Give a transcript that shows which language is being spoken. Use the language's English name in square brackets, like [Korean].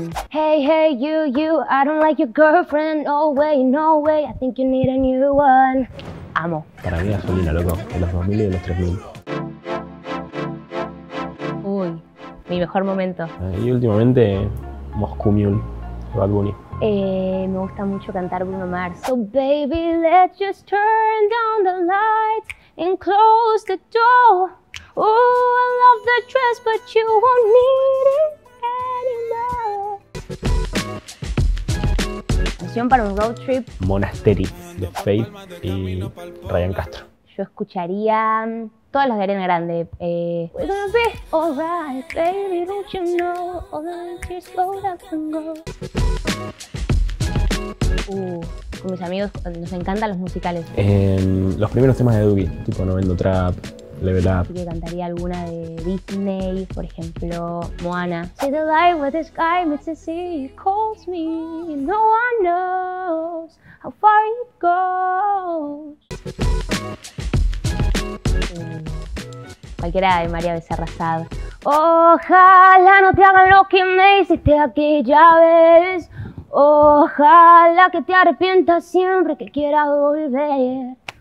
[English] Hey, hey, you, you, I don't like your girlfriend. No way, no way, I think you need a new one. [Spanish] Amo. Para mí Gasolina, loco, de los 2000 y de los 3000. Uy, mi mejor momento. Y últimamente, Moscú Mule, Bad Bunny. Me gusta mucho cantar Bruno Mars. [English] So baby, let's just turn down the lights and close the door. Oh, I love the dress, but you won't need it anymore. [Spanish] Canción para un road trip. Monastery, de Faith y Ryan Castro. Yo escucharía todas las de Arena Grande. [English] We're gonna be alright, baby, don't you know? All the tears go up and go. [Spanish] Con mis amigos nos encantan los musicales. Los primeros temas de Duki, tipo Novendo Trap, Level Up. Yo cantaría alguna de Disney, por ejemplo, Moana. [English] See the light where the sky meets the sea, it calls me, and no one knows how far it goes. [Spanish] Cualquiera de María Becerra Sad. Ojalá no te hagan lo que me hiciste aquella vez. Ojalá que te arrepientas siempre que quieras volver.